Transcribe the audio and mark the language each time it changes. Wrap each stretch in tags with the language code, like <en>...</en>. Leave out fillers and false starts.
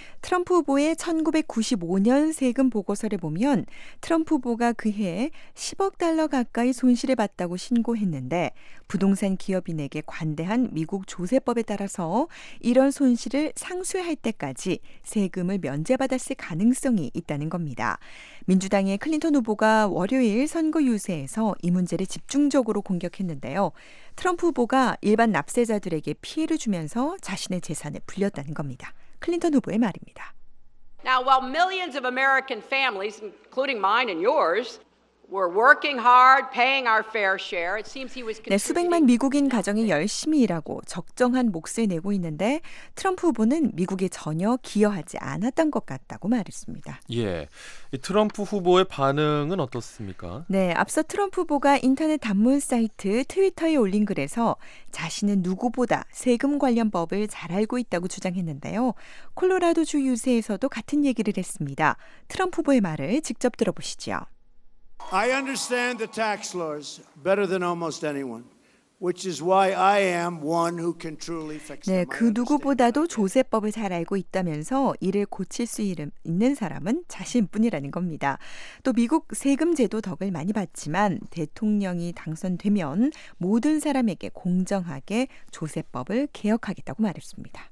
<ko>트럼프 후보의 1995년 세금 보고서를 보면 트럼프 후보가 그해 10억 달러 가까이 손실을 봤다고 신고했는데 부동산 기업인에게 관대한 미국 조세법에 따라서 이런 손실을 상쇄할 때까지 세금을 면제받았을 가능성이 있다는 겁니다. 민주당의 클린턴 후보가 월요일 선거 유세에서 이 문제를 집중적으로 공격했는데요. 트럼프 후보가 일반 납세자들에게 피해를 주면서 자신의 재산을 불렸다는 겁니다. 클린턴 후보의 말입니다.</ko> <en>Now, while millions of American families, including mine and yours, We're working hard, paying our fair share. It seems he was.</en> <ko>네, 수백만 미국인 가정이 열심히 일하고 적정한 몫을 내고 있는데 트럼프 후보는 미국에 전혀 기여하지 않았던 것 같다고 말했습니다. 예, 트럼프 후보의 반응은 어떻습니까? 네, 앞서 트럼프 후보가 인터넷 단문 사이트 트위터에 올린 글에서 자신은 누구보다 세금 관련 법을 잘 알고 있다고 주장했는데요. 콜로라도 주 유세에서도 같은 얘기를 했습니다. 트럼프 후보의 말을 직접 들어보시죠.</ko> <en>I understand the tax laws better than almost anyone, which is why I am one who can truly fix them.</en> <ko>네, 그 누구보다도 조세법을 잘 알고 있다면서 이를 고칠 수 있는 사람은 자신뿐이라는 겁니다. 또 미국 세금 제도 덕을 많이 봤지만 대통령이 당선되면 모든 사람에게 공정하게 조세법을 개혁하겠다고 말했습니다.</ko>